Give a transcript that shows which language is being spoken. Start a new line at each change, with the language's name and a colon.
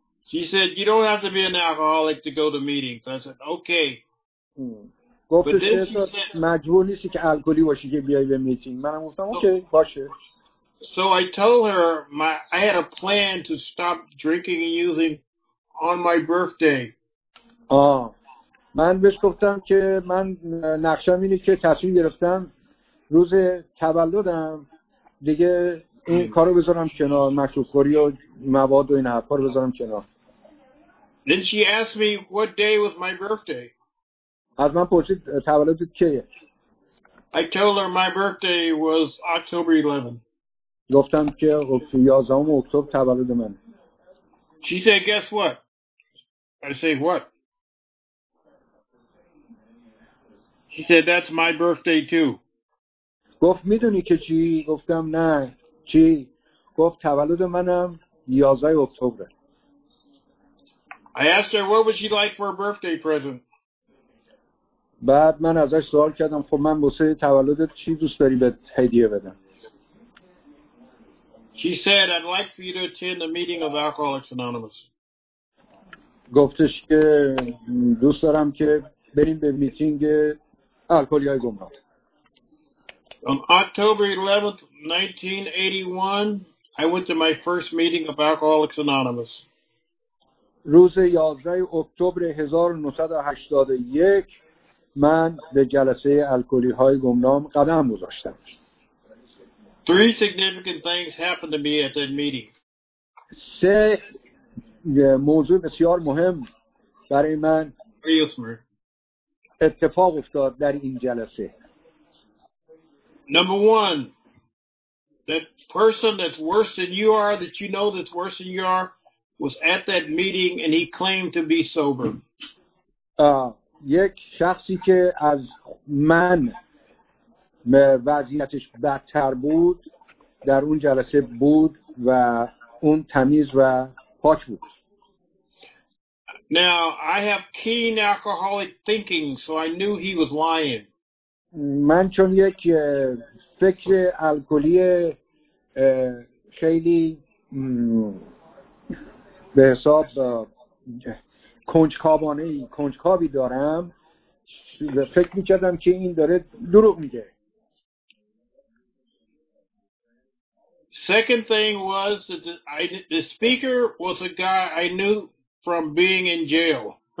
English: She said you don't have to be an alcoholic to go to meetings. I said okay.
Persian: گفتش مجبور نیستی که الکلی باشی که بیایی به میتینگ. منم گفتم اوکی باشه.
English: So I told her I had a plan to stop drinking and using on my birthday. آه.
Persian: من بهش گفتم که من نقشم اینه که تصمیم گرفتم روز تولدم دیگه این کارو بذارم کنار، مشروب خوری و مواد و این حرفا رو بذارم کنار.
English: Then she asked me what day was my birthday.
Persian: از من پرسید تولدت کیه؟
English: I told her my birthday was October 11.
Persian: گفتم که 11 اکتبر تولد من.
English: She said guess what? I said what? She said, that's my birthday too.
Persian: گفت میدونی که چی؟ گفتم نه. چی؟ گفت تولد منم 11 اکتبر.
English: I asked her, what would she like for a birthday present?
Persian: بعد من ازش سوال کردم، خب من واسه تولدت چی دوست داری به هدیه بدم؟
English: She said, I'd like for you to attend the meeting of Alcoholics Anonymous.
Persian: گفتش که دوست دارم که بریم به میتینگ الکلی‌های گمراه.
English: On October 11th, 1981, I went to my first meeting of Alcoholics Anonymous.
Persian: روز 11 اکتبر 1981 من به جلسه الکلی‌های گمنام قدم گذاشتم.
English: Three significant things happened to me at that meeting.
Persian: سه موضوع بسیار مهم برای من اتفاق افتاد در این جلسه.
English: Number one, that person that's worse than you are, that you know that's worse than you are, was at that meeting and he claimed to be sober.
Persian: یک شخصی که از من وضعیتش بدتر بود در اون جلسه بود و اون تمیز و پاک بود.
English: Now, I have keen alcoholic thinking, so I knew he was lying.
Persian: من چون یک فکر الکلی خیلی به حساب کنجکاوی دارم، فکر می‌کردم که این داره دروغ میگه.
English: Second thing was that the speaker was a guy I knew from being in jail.